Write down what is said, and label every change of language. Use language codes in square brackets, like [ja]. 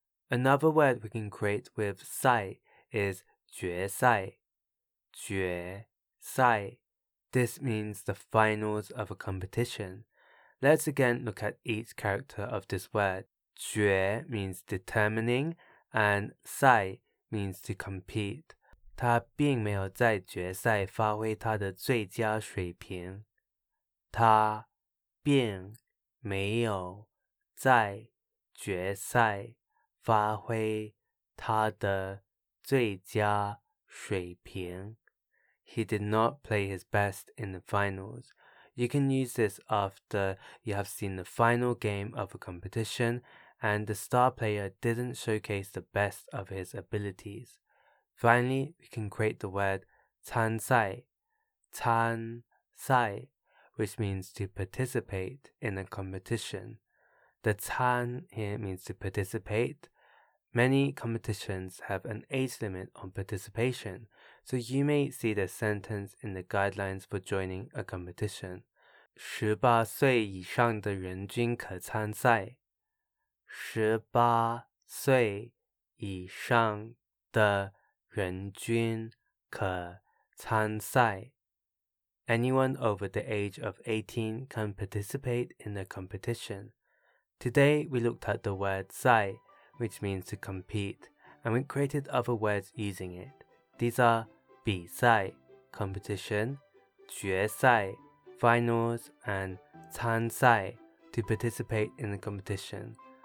[en] Another word we can create with 赛 is 决赛。 [zh] 决赛。 [en] This means the finals of a competition. Let's again look at each character of this word. 决 means determining, and 赛 means to compete. [zh] 他并没有在决赛发挥他的最佳水平。他并没有在决赛发挥他的最佳水平。 [en] He did not play his best in the finals. You can use this after you have seen the final game of a competition and the star player didn't showcase the best of his abilities. Finally, we can create the word 参赛, 参赛, which means to participate in a competition. The 参 here means to participate. Many competitions have an age limit on participation, so you may see the sentence in the guidelines for joining a competition. [zh] 十八岁以上的人均可参赛。十八岁以上的人均可参赛。 [en] Anyone over the age of 18 can participate in the competition. Today, we looked at the word 赛, which means to compete, and we created other words using it. These are 比赛, competition, 决赛,finals, and 参赛, to participate in the competition.